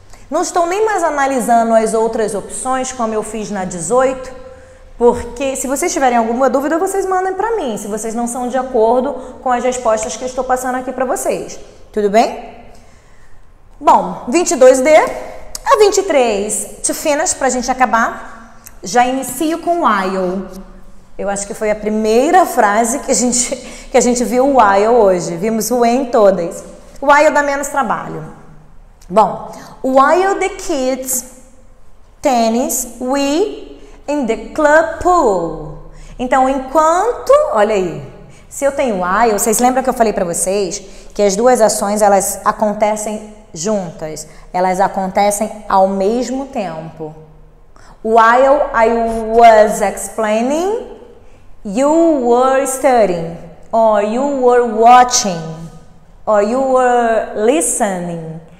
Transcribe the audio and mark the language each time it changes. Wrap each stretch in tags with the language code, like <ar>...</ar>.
<pt>Não estou nem mais analisando as outras opções, como eu fiz na 18, porque se vocês tiverem alguma dúvida, vocês mandem para mim, se vocês não são de acordo com as respostas que eu estou passando aqui para vocês. Tudo bem? Bom, 22D... A 23,</pt> <en>to finish,</en> <pt>pra gente acabar, já inicio com while. Eu acho que foi a primeira frase que a gente viu while hoje. Vimos o em todas. While dá menos trabalho. Bom,</pt> <en>while the kids tennis, we in the club pool.</en> <pt>Então, enquanto, olha aí, se eu tenho while, vocês lembram que eu falei pra vocês que as duas ações, elas acontecem juntas, elas acontecem ao mesmo tempo.</pt> <en>While I was explaining, you were studying, or you were watching, or you were listening.</en>